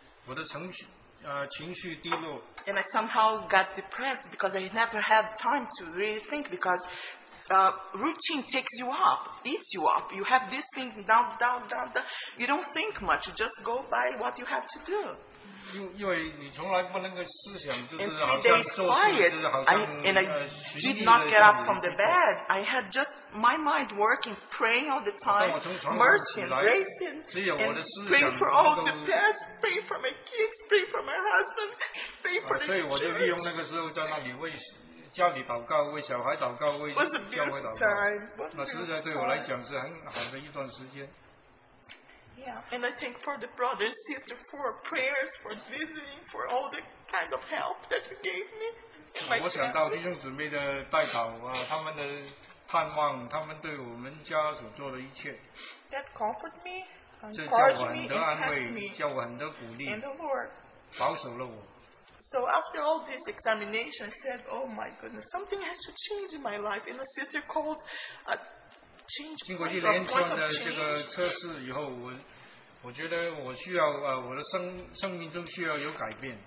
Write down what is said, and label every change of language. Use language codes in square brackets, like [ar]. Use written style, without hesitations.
[zh] 我的情绪低落, [en] and I somehow got depressed because I never had time to really think because routine takes you up, eats you up. You have this thing down, down, down, down. You don't think much. You just go by what you have to do. [zh] 因为你从来不能够思想就是好像做事就是好像 [en] I did not get up from the bed. I had just my mind working, praying all the time, mercy and grace, and praying for all the past, praying for my kids, praying for my husband, praying for the church. It was a beautiful time. [zh] 那实在对我来讲是很好的一段时间。 [en] Yeah. And I think for the brother and sister, for prayers, for visiting, for all the kind of help that you gave me. [zh] 我想到弟兄姊妹的代祷啊，他们的盼望，他们对我们家所做的一切。 [en] That comfort me, encourage me, and kept me. [zh] 叫我很多鼓励, [en] and the Lord [zh] 保守了我。 [en] So after all this examination, I said, oh my goodness, something has to change in my life. And the sister called a change point of change.